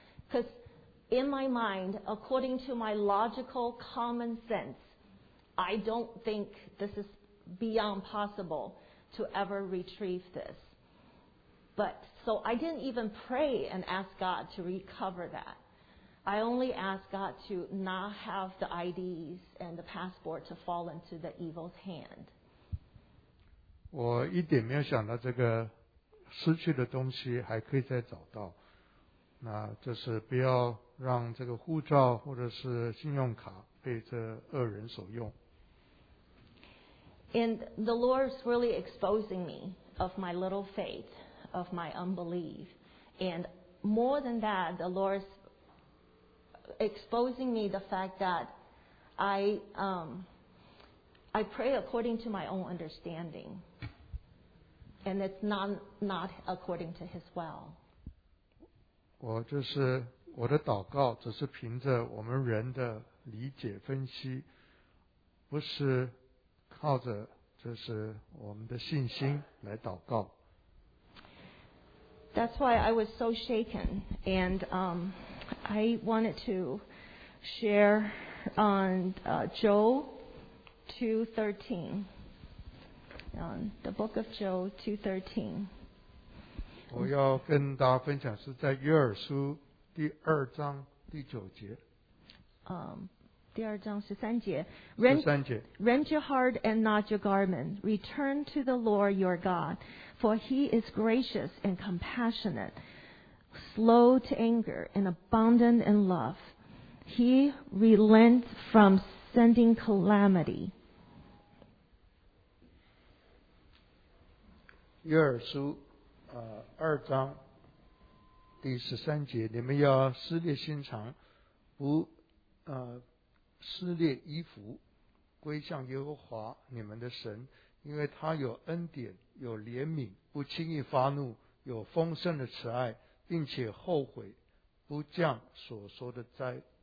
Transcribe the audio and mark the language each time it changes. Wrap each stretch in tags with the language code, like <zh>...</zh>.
<en>Because in my mind, according to my logical common sense, I don't think this is beyond possible to ever retrieve this. But so I didn't even pray and ask God to recover that. I only asked God to not have the IDs and the passport to fall into the evil's hand.</en> <zh>我一点没有想到这个失去的东西还可以再找到，那就是不要让这个护照或者是信用卡被这恶人所用。</zh> <en>And the Lord is really exposing me of my little faith, of my unbelief. And more than that, the Lord is exposing me the fact that I pray according to my own understanding. And it's not according to His will.</en> <zh>我就是我的祷告只是凭着我们人的理解分析，不是靠着就是我们的信心来祷告。</zh> <en>That's why I was so shaken, and I wanted to share on Joel 2:13, on the book of Joel 2:13.</en> <zh>我要跟大家分享是在约珥书第二章第九节。第二章十三节</zh> <en>rend your heart and not your garment. Return to the Lord your God, for He is gracious and compassionate, slow to anger and abundant in love. He relents from sending calamity.</en> <zh>约珥书二章第十三节，你们要撕裂心肠，不撕裂衣服，归向耶和华你们的神，因为他有恩典，有怜悯，不轻易发怒，有丰盛的慈爱，并且后悔不降所说的灾。</zh>